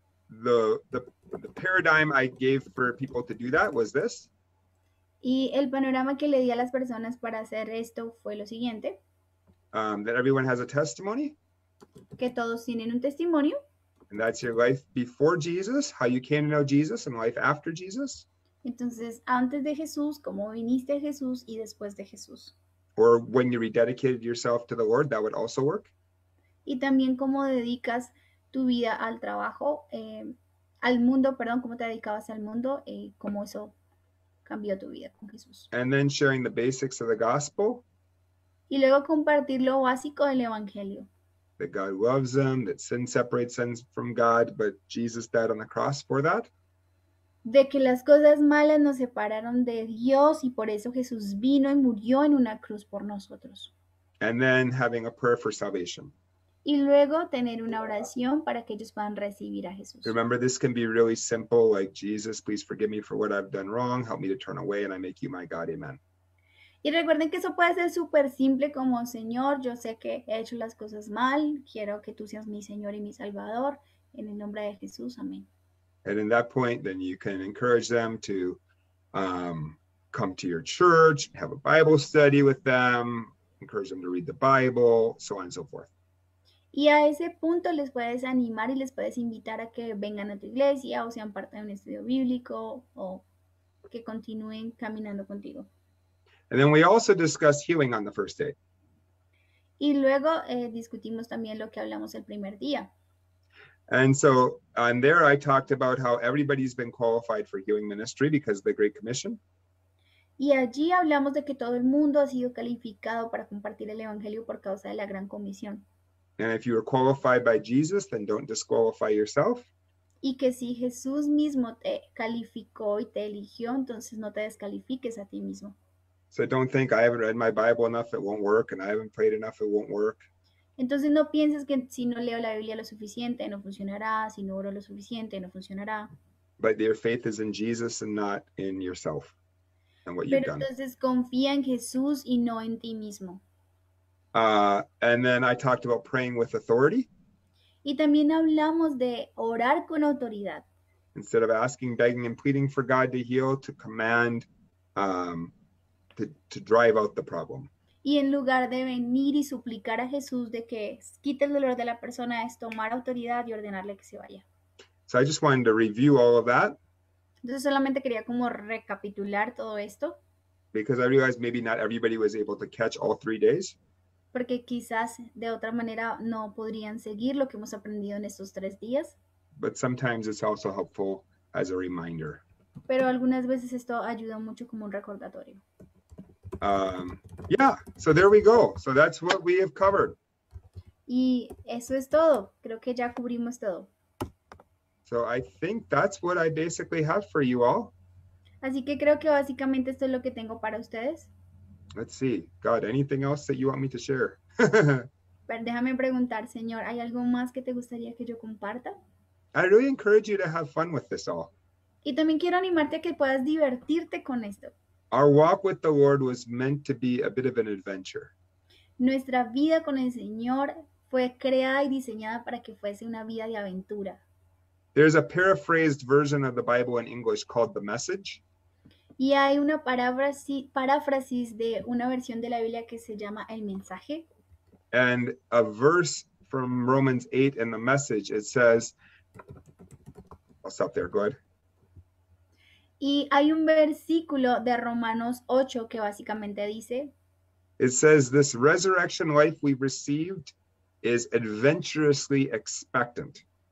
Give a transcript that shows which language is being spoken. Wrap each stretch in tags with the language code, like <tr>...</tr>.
<en>The paradigm I gave for people to do that was this.</en> <es>Y el panorama que le di a las personas para hacer esto fue lo siguiente.</es> <en>That everyone has a testimony.</en> <es>Que todos tienen un testimonio.</es> <en>And that's your life before Jesus, how you came to know Jesus, and life after Jesus.</en> <es>Entonces, antes de Jesús, cómo viniste a Jesús y después de Jesús.</es> <en>Or when you rededicated yourself to the Lord, that would also work.</en> <es>Y también cómo dedicas tu vida al trabajo, al mundo, perdón, cómo te dedicabas al mundo, cómo eso cambió tu vida con Jesús.</es> <en>And then sharing the basics of the gospel.</en> <es>Y luego compartir lo básico del evangelio.</es> <en>That God loves them, that sin separates them from God, but Jesus died on the cross for that.</en> <es>De que las cosas malas nos separaron de Dios y por eso Jesús vino y murió en una cruz por nosotros.</es> <en>And then having a prayer for salvation.</en> <es>y luego tener una oración para que ellos puedan recibir a Jesús.</es> <en>Remember, this can be really simple, like, Jesus, please forgive me for what I've done wrong, help me to turn away, and I make you my God, amen.</en> <es>Y recuerden que eso puede ser súper simple como, Señor, yo sé que he hecho las cosas mal, quiero que tú seas mi Señor y mi Salvador, en el nombre de Jesús, amén.</es> <en>And in that point, then you can encourage them to come to your church, have a Bible study with them, encourage them to read the Bible, so on and so forth.</en> <es>Y a ese punto les puedes animar y les puedes invitar a que vengan a tu iglesia o sean parte de un estudio bíblico o que continúen caminando contigo.</es> <en>And then we also discussed healing on the first day.</en> <es>Y luego discutimos también lo que hablamos el primer día.</es> <en>And so, and there I talked about how everybody's been qualified for healing ministry because of the Great Commission.</en> <es>Y allí hablamos de que todo el mundo ha sido calificado para compartir el evangelio por causa de la Gran Comisión.</es> <en>And if you are qualified by Jesus, then don't disqualify yourself.</en> <es>Y que si Jesús mismo te calificó y te eligió, entonces no te descalifiques a ti mismo.</es> <en>So don't think I haven't read my Bible enough, it won't work, and I haven't prayed enough, it won't work.</en> <es>Entonces no pienses que si no leo la Biblia lo suficiente, no funcionará, si no oro lo suficiente, no funcionará.</es> <en>But your faith is in Jesus and not in yourself and what you've</en> <es>Pero</es> <en>done.</en> <es>Entonces confía en Jesús y no en ti mismo.</es> <en>And then I talked about praying with authority.</en> <es>Y también hablamos de orar con autoridad.</es> <en>Instead of asking, begging, and pleading for God to heal, to command, to drive out the problem.</en> <es>Y en lugar de venir y suplicar a Jesús de que quite el dolor de la persona, es tomar autoridad y ordenarle que se vaya.</es> <en>So I just wanted to review all of that.</en> <es>Entonces solamente quería como recapitular todo esto.</es> <en>Because I realized maybe not everybody was able to catch all 3 days.</en> <es>Porque quizás de otra manera no podrían seguir lo que hemos aprendido en estos 3 días.</es> <en>But sometimes it's also helpful as a reminder.</en> <es>Pero algunas veces esto ayuda mucho como un recordatorio.</es> <en>Yeah, so there we go. So that's what we have covered.</en> <es>Y eso es todo. Creo que ya cubrimos todo.</es> <en>So I think that's what I basically have for you all.</en> <es>Así que creo que básicamente esto es lo que tengo para ustedes.</es> <en>Let's see. God, anything else that you want me to share?</en> <es>Pero déjame preguntar, Señor, ¿hay algo más que te gustaría que yo comparta?</es> <en>I really encourage you to have fun with this all.</en> <es>Y también quiero animarte a que puedas divertirte con esto.</es> <en>Our walk with the Lord was meant to be a bit of an adventure.</en> <es>Nuestra vida con el Señor fue creada y diseñada para que fuese una vida de aventura.</es> <en>There's a paraphrased version of the Bible in English called The Message.</en> <es>Y hay una paráfrasis de una versión de la Biblia que se llama El Mensaje.</es> <en>And a verse from Romans 8 in The Message, it says, I'll stop there, go ahead.</en> <es>Y hay un versículo de Romanos 8 que básicamente dice,</es> <en>it says, this resurrection life we received is adventurously expectant.</en>